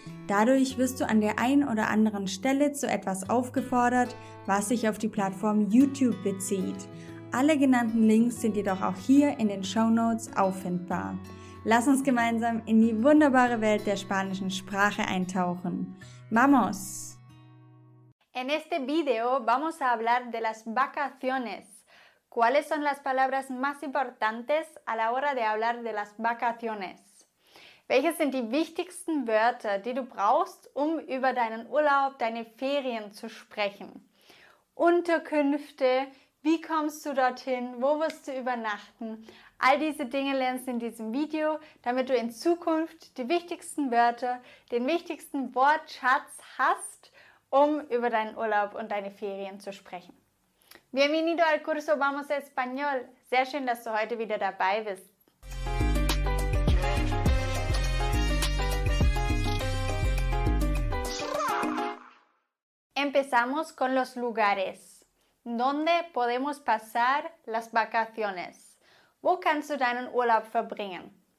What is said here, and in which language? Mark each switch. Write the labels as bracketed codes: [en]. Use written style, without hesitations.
[de] Dadurch wirst du an der einen oder anderen Stelle zu etwas aufgefordert, was sich auf die Plattform YouTube bezieht. Alle genannten Links sind jedoch auch hier in den Shownotes auffindbar. Lass uns gemeinsam in die wunderbare Welt der spanischen Sprache eintauchen. [es] ¡Vamos! En este video vamos a hablar de las vacaciones. ¿Cuáles son las palabras más importantes a la hora de hablar de las vacaciones? [de] Welche sind die wichtigsten Wörter, die du brauchst, um über deinen Urlaub, deine Ferien zu sprechen? Unterkünfte, wie kommst du dorthin, wo wirst du übernachten? All diese Dinge lernst du in diesem Video, damit du in Zukunft die wichtigsten Wörter, den wichtigsten Wortschatz hast, um über deinen Urlaub und deine Ferien zu sprechen. [es] Bienvenido al curso Vamos Español. [de] Sehr schön, dass du heute wieder dabei bist. [es] Empezamos con los lugares. ¿Dónde podemos pasar las vacaciones? [de] ¿Wo kannst du deinen Urlaub verbringen?